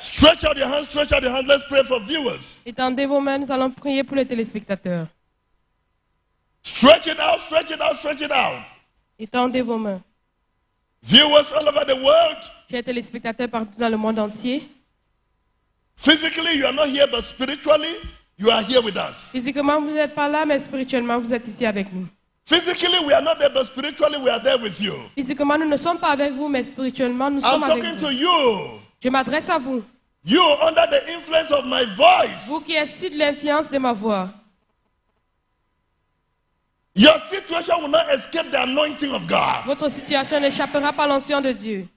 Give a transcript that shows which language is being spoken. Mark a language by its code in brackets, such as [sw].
[en] Stretch out your hands, let's pray for viewers. [fr] Étendez vos mains, nous allons prier pour les téléspectateurs. [en] Stretch it out. [fr] Étendez vos mains. [en] Viewers all over the world. [fr] Chers téléspectateurs partout dans le monde entier. [en] Physically, you are not here, but spiritually, you are here with us. [fr] Physiquement, vous n'êtes pas là, mais spirituellement, vous êtes ici avec nous. [en] Physically, we are not there, but spiritually, we are there with you. [fr] Physiquement, nous ne sommes pas avec vous, mais spirituellement, nous sommes avec vous. [en] I'm talking to you. [fr] Je m'adresse à vous. [en] You, under the influence of my voice. [fr] Vous qui êtes sous l'influence de ma voix. [en] Your situation will not escape the anointing of God. [fr] Votre situation n'échappera pas à l'onction de Dieu.